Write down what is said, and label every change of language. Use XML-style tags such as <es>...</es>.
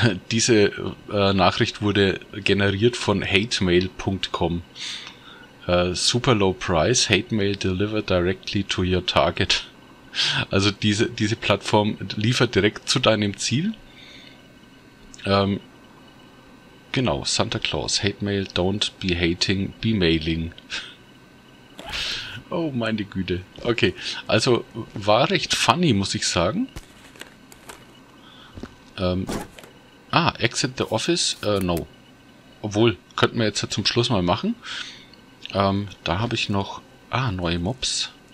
<de>Diese Nachricht wurde generiert von hatemail.com.</de> <en>Super low price, hate mail delivered directly to your target.</en> <de>Also diese Plattform liefert direkt zu deinem Ziel. Genau,</de> <en>Santa Claus, hate mail, don't be hating, be mailing.</en> <de>Oh, meine Güte. Okay, also war recht funny, muss ich sagen.</de> <en>Exit the office? No.</en> <de>Obwohl, könnten wir jetzt ja zum Schluss mal machen. Da habe ich noch... Ah, neue Mobs.</de>